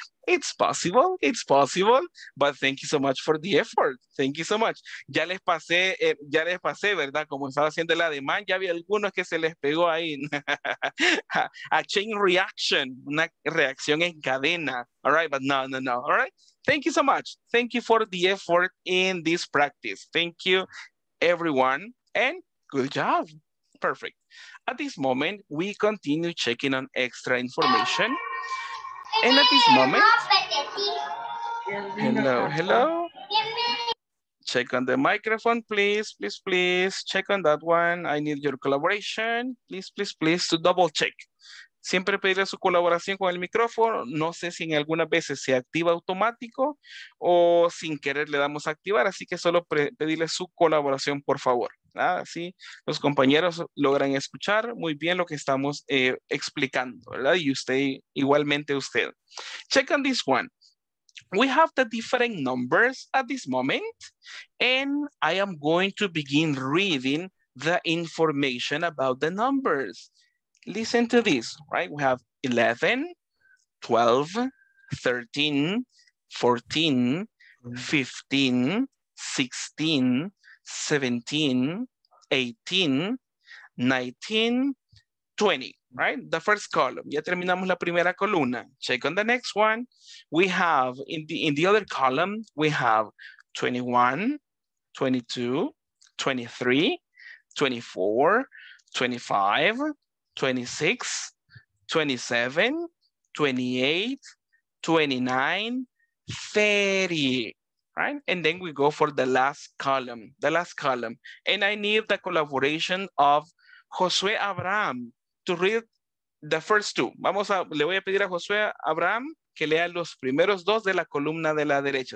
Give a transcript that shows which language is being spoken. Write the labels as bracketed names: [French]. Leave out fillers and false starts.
[English] It's possible, but thank you so much for the effort. Thank you so much. [Spanish] Ya les pasé, ¿verdad? Como estaba haciendo la demanda, ya había algunos que se les pegó ahí. [English] A chain reaction, [Spanish] una reacción en cadena. [English] All right, but no. All right. Thank you so much. Thank you for the effort in this practice. Thank you, everyone, and good job. Perfect. At this moment, we continue checking on extra information. And at this moment, hello. Check on the microphone, please. Check on that one. I need your collaboration. Please to double check. [Spanish] Siempre pedirle su colaboración con el micrófono. No sé si en algunas veces se activa automático o sin querer le damos a activar. Así que solo pedirle su colaboración, por favor. Así los compañeros logran escuchar muy bien lo que estamos explicando, ¿verdad? Y usted, igualmente usted. [English] Check on this one. We have the different numbers at this moment. And I am going to begin reading the information about the numbers. Listen to this, right? We have 11, 12, 13, 14, 15, 16, 17, 18, 19, 20, right? The first column. [Spanish] Ya terminamos la primera columna. [English] Check on the next one. We have in the other column, we have 21, 22, 23, 24, 25, 26, 27, 28, 29, 30, right? And then we go for the last column. And I need the collaboration of Josué Abraham to read the first two. [Spanish] Le voy a pedir a Josué Abraham que lea los primeros dos de la columna de la derecha.